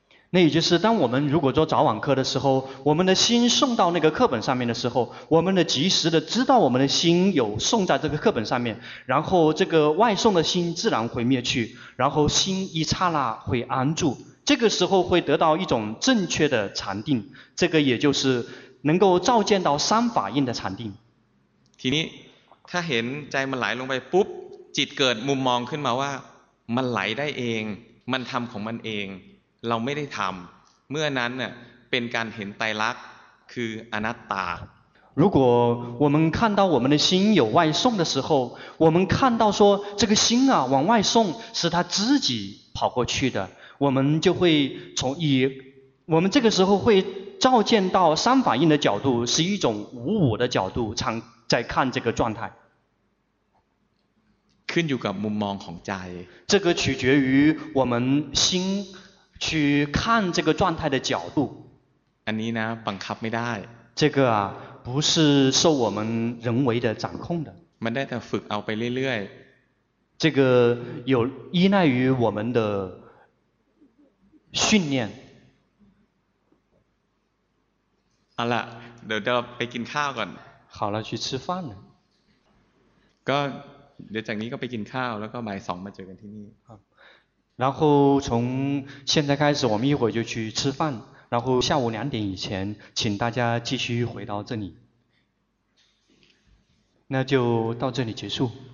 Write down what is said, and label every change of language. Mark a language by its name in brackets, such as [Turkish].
[Chinese] 那也就是当我们如果做早晚课的时候我们的心送到那个课本上面的时候我们的及时的知道我们的心有送在这个课本上面然后这个外送的心自然会灭去然后心一刹那会安住这个时候会得到一种正确的禅定这个也就是能够照见到三法印的禅定 [Thai] ทีนี้ถ้าเห็นใจมันไหลลงไปปุ๊บจิตเกิดมุมมองขึ้นมาว่ามันไหลได้เองมันทำของมันเองเราไม่ได้ทำเมื่อนั้นเป็นการเห็นไตรลักษณ์คืออนัตตา [Chinese] 如果我们看到我们的心有外送的时候我们看到说这个心啊往外送是他自己跑过去的我们就会从以我们这个时候会照见到三法印的角度是一种无我的角度在看这个状态 [Thai] ขึ้นอยู่กับมุมมองของใจ [Chinese] 这个取决于我们心去看这个状态的角度 [Thai] อันนี้นะบังคับไม่ได้ [Chinese] 这个啊不是受我们人为的掌控的 [Thai] มันได้แต่ฝึกเอาไปเรื่อย [Chinese] ๆ这个有依赖于我们的训练 [Thai] เอาล่ะเดี๋ยวไปกินข้าวก่อน [Chinese] 好了去吃饭了 [Thai] ก็เดี๋ยวจากนี้ก็ไปกินข้าวแล้วก็บ่ายสองมาเจอกันที่นี่ [Chinese] 然后从现在开始我们一会儿就去吃饭然后下午两点以前请大家继续回到这里那就到这里结束